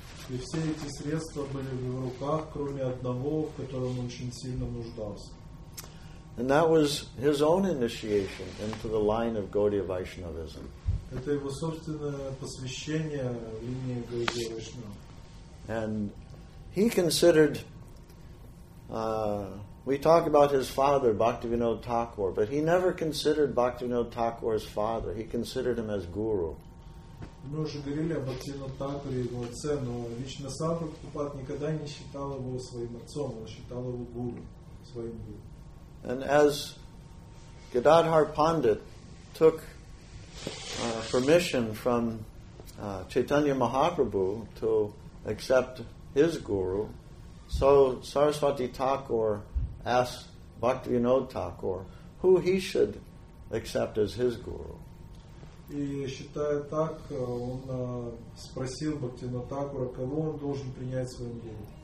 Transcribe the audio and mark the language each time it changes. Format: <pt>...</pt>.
<ru>И все эти средства были в его руках, кроме одного, в котором он очень сильно нуждался.</ru> <en>And that was his own initiation into the line of Gaudiya Vaishnavism.</en> <ru>Это его собственное посвящение в линии Гаудия Вайшнава.</ru> <en>And he considered, we talk about his father, Bhaktivinoda Thakur, but he never considered Bhaktivinoda Thakur as father. He considered him as guru.</en> <ru>Мы уже говорили о Бхактивинода Такуре и его отце, но лично сам Прабхупад никогда не считал его своим отцом, он считал его гуру, своим гуру.</ru> <en>And as Gadadhar Pandit took permission from Chaitanya Mahaprabhu to accept his guru, so Saraswati Thakur asked Bhaktivinoda Thakur who he should accept as his guru.</en> <ru>И считая так, он спросил Бхактивинода Такура, кого он должен принять в своем деле.</ru>